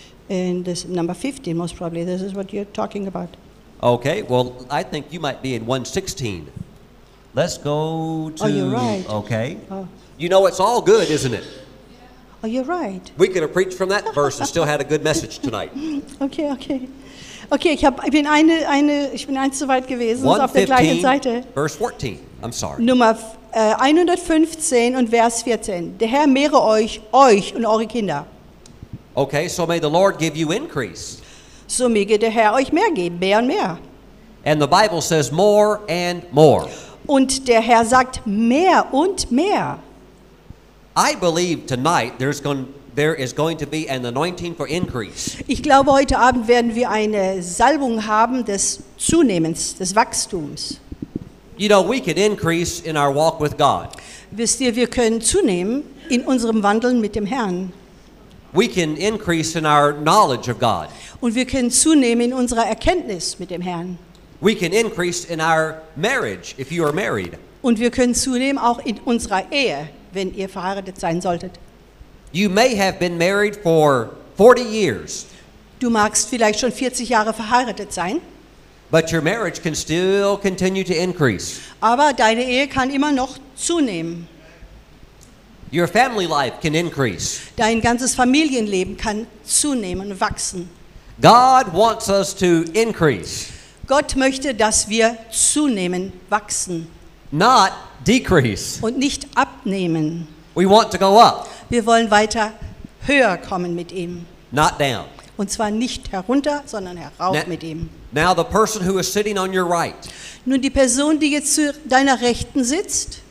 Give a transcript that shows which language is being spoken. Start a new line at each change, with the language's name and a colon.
English: And this number 15, most probably. This is what you're talking about. Okay. Well, I think you might be in 116. Let's go to... Oh, you're right. Okay. Oh. You know, it's all good, isn't it? Oh, you're right. We could have preached from that verse and still had a good message tonight. Okay, okay.
German: Okay, ich bin eins zu weit gewesen, auf der gleichen Seite.
English: Verse 14, I'm sorry.
German: Nummer 115 und Vers 14. Der Herr mehre euch und eure Kinder.
English: Okay, so may the Lord give you increase.
German: So möge der Herr euch mehr geben, mehr und mehr.
English: And the Bible says more and more.
German: Und der Herr sagt mehr und mehr.
English: I believe tonight there is going to be an anointing for increase.
German: Ich glaube, heute Abend werden wir eine Salbung haben des Zunehmens, des Wachstums.
English: You know, we could increase in our walk with God.
German: Wisst ihr, wir können zunehmen in unserem Wandeln mit dem Herrn.
English: We can increase in our knowledge of God.
German: Und wir können zunehmen in unserer Erkenntnis mit dem Herrn.
English: We can increase in our marriage if you are married.
German: Und wir können zunehmen auch in unserer Ehe, wenn ihr verheiratet sein solltet.
English: You may have been married for 40 years.
German: Du magst vielleicht schon 40 Jahre verheiratet sein.
English: But your marriage can still continue to increase.
German: Aber deine Ehe kann immer noch zunehmen.
English: Your family life can increase.
German: Dein ganzes Familienleben kann zunehmen und wachsen.
English: God wants us to increase.
German: Gott möchte, dass wir zunehmen, wachsen.
English: Not decrease.
German: Und nicht abnehmen.
English: We want to go up.
German: Wir wollen weiter höher kommen mit ihm.
English: Not down.
German: Und zwar nicht herunter, sondern herauf mit ihm.
English: Now the person who is sitting on your right.
German: Nun die Person, die jetzt zu deiner Rechten sitzt.